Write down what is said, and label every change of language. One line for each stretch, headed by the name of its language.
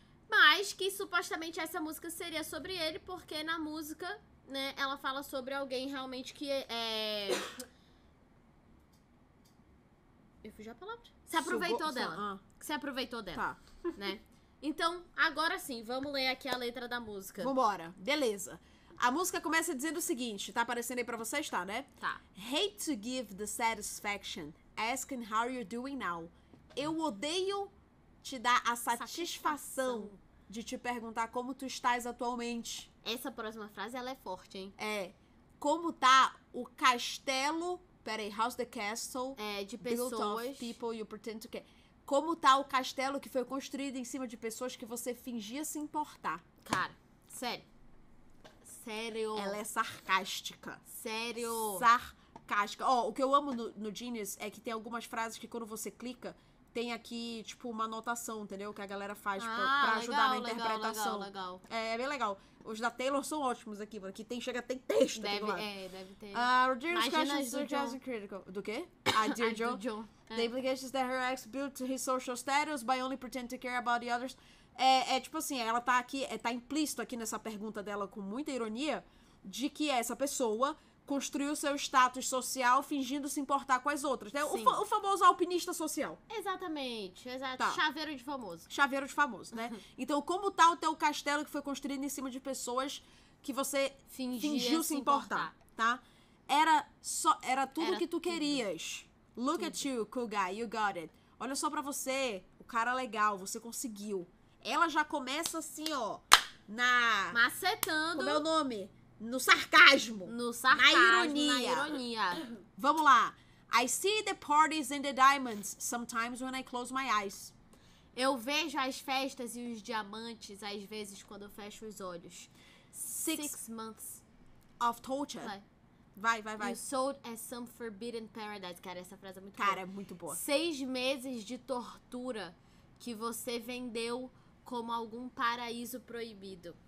Portuguese: Mas que supostamente essa música seria sobre ele, porque na música, né, ela fala sobre alguém realmente que é... Eu fugi a palavra. Se aproveitou dela. Se aproveitou dela. Tá. Né? Então, agora sim, vamos ler aqui a letra da música. Vambora. Beleza. A música começa dizendo o seguinte. Tá aparecendo aí pra vocês, tá, né? Tá.
English: Hate to give the satisfaction asking how you're doing now.
Portuguese: Eu odeio te dar a satisfação de te perguntar como tu estás atualmente. Essa próxima frase, ela é forte, hein? É. Como tá o castelo... Peraí,
English: how's the castle?
Portuguese: É, de pessoas.
English: Built of people you pretend to care.
Portuguese: Como tá o castelo que foi construído em cima de pessoas que você fingia se importar? Cara, sério. Sério. Ela é sarcástica. Sério. Sarcástica. Ó, o que eu amo no Genius é que tem algumas frases que quando você clica, tem aqui, tipo, uma anotação, entendeu? Que a galera faz pra ajudar legal, na interpretação. Legal. É bem legal. Os da Taylor são ótimos aqui, mano. Aqui tem, chega, tem texto. Deve ter. Imagina do John. Do quê? Dear John.
English: The implications that her ex built his social status by only pretending to care about the others.
Portuguese: É tipo assim, ela tá aqui, tá implícito aqui nessa pergunta dela com muita ironia de que essa pessoa construiu seu status social fingindo se importar com as outras. Né? O famoso alpinista social. Exatamente, exato. Tá. Chaveiro de famoso. Chaveiro de famoso, né? Então, como tá o teu castelo que foi construído em cima de pessoas que você fingiu se importar, tá? Era tudo que tu querias.
English: Look at you, cool guy, you got it.
Portuguese: Olha só pra você, o cara legal, você conseguiu. Ela já começa assim, ó, na... Macetando. Como é o nome? No sarcasmo. No sarcasmo. Na ironia. Vamos lá.
English: I see the parties and the diamonds sometimes when I close my eyes.
Portuguese: Eu vejo as festas e os diamantes às vezes quando eu fecho os olhos.
English: Six months of torture.
Portuguese: Vai.
English: You sold as some forbidden paradise.
Portuguese: Cara, essa frase é muito cara, boa. Cara, é muito boa. 6 meses de tortura que você vendeu como algum paraíso proibido.